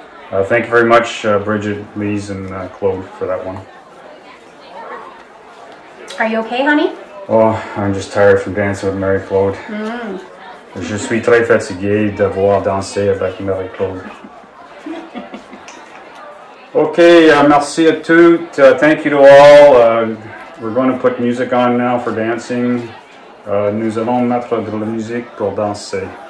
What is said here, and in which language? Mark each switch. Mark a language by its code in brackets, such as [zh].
[en] Thank you very much, Brigitte, Lise, and Claude, for that one. Are you okay, honey? Oh, I'm just tired from dancing with Mary Claude. Mm. [fr] Je suis très fatigué de voir danser avec Mary Claude. [en] Okay, [fr] merci à tout. [en] Thank you to all. We're going to put music on now for dancing. [fr] Nous allons mettre de la musique pour danser.